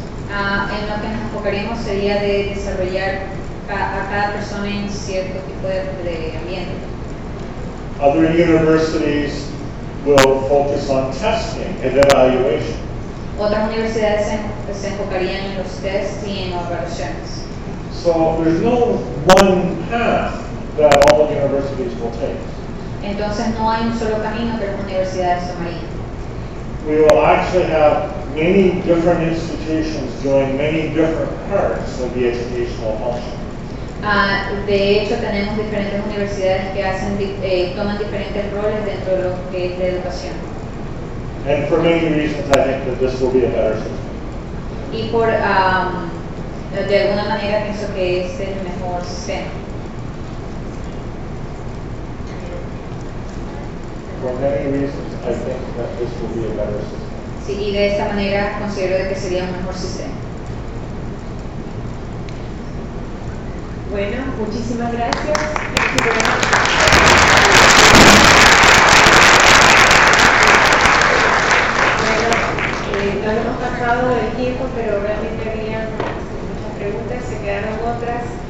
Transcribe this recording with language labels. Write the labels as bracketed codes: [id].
[es] En lo que nos enfocaríamos sería de desarrollar a cada persona en cierto tipo de ambiente. [en] Other universities will focus on testing and evaluation. [es] Otras universidades se enfocarían en los tests y en evaluaciones. [en] So there's no one path that all universities will take. [es] Entonces no hay un solo camino que las universidades tomarían. [en] We will actually have many different institutions doing many different parts of the educational function. [es] De hecho, tenemos diferentes universidades que hacen, toman diferentes roles dentro de lo que es la educación. [en] And for many reasons, I think that this will be a better system. [es] Y por de alguna manera pienso que este es el mejor sistema. [en] For many reasons, I think that this will be a better system. [es] Sí, y de esta manera considero que sería un mejor sistema. Bueno, muchísimas gracias. Bueno, nos hemos pasado del tiempo, pero realmente había muchas preguntas, se quedaron otras.